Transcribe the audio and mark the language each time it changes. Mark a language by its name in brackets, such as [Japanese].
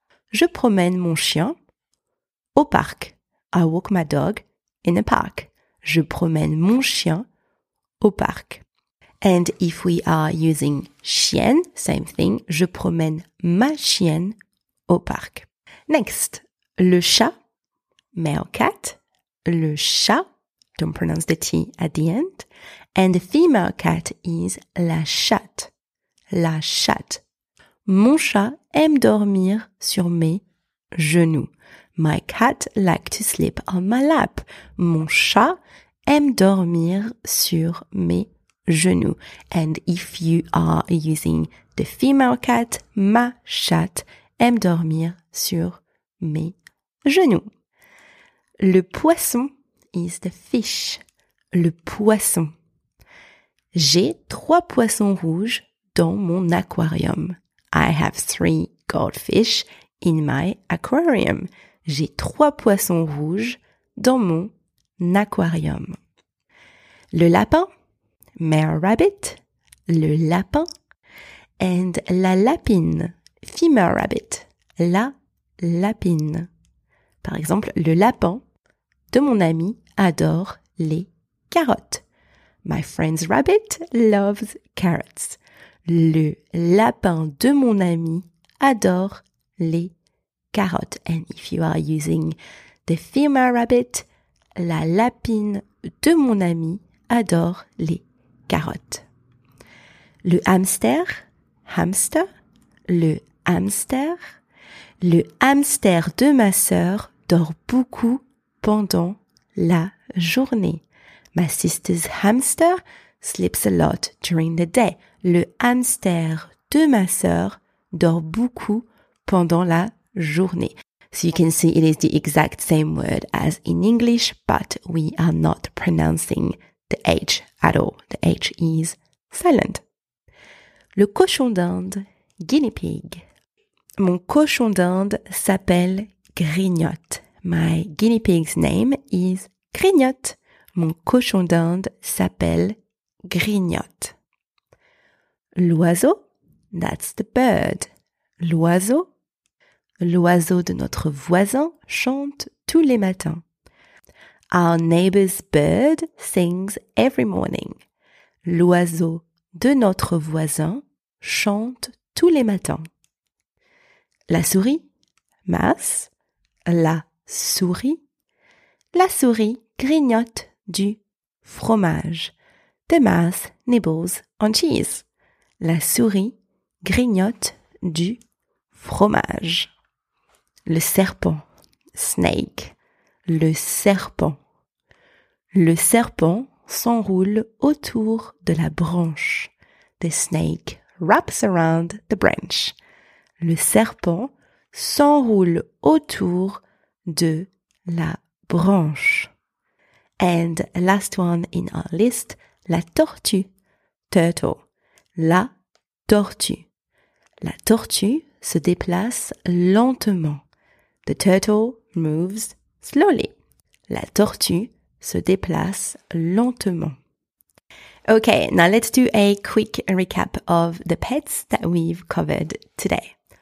[French] Je promène mon chien au parc. [English] I walk my dog in a park. [French] Je promène mon chien au parc. [English] And if we are using chienne, same thing. [French] Je promène ma chienne au parc. [English] Next, le chat, male cat. Le chat, don't pronounce the T at the end. And the female cat is la chatte. La chatte. [French] Mon chat aime dormir sur mes genoux. [English] My cat likes to sleep on my lap. [French] Mon chat aime dormir sur mes genoux. [English] And if you are using the female cat, [French] ma chatte aime dormir sur mes genoux. [English] Le poisson is the fish. Le poisson. [French] J'ai 3 poissons rouges dans mon aquarium. [English] I have 3 goldfish in my aquarium. [French] J'ai 3 poissons rouges dans mon aquarium. [English] Le lapin, male rabbit, le lapin. And la lapine, female rabbit, la lapine. [French] Par exemple, le lapin de mon ami adore les carottes. [English] My friend's rabbit loves carrots. [French] Le lapin de mon ami adore les carottes. [English] And if you are using the female rabbit, [French] la lapine de mon ami adore les carottes. Le hamster, hamster, le hamster. Le hamster de ma sœur dort beaucoup pendant la journée. [English] My sister's hamster sleeps a lot during the day. [French] Le hamster de ma sœur dort beaucoup pendant la journée. [English] So you can see it is the exact same word as in English, but we are not pronouncing the H at all. The H is silent. [French] Le cochon d'Inde, guinea pig. Mon cochon d'Inde s'appelle Grignotte. [English] My guinea pig's name is Grignotte. [French] Mon cochon d'Inde s'appelle Grignotte. [English] L'oiseau, that's the bird. L'oiseau. [French] L'oiseau de notre voisin chante tous les matins. [English] Our neighbor's bird sings every morning. [French] L'oiseau de notre voisin chante tous les matins. La souris, mouse. La souris. La souris grignote du fromage. [English] The mouse nibbles on cheese. [French] La souris grignote du fromage. Le serpent, snake. Le serpent. Le serpent s'enroule autour de la branche. [English] The snake wraps around the branch. [French] Le serpent s'enroule autour de la branche. [English] And last one in our list, la tortue, turtle. La tortue. [French] La tortue se déplace lentement. [English] The turtle moves slowly. [French] La tortue se déplace lentement. [English] Okay, now let's do a quick recap of the pets that we've covered today.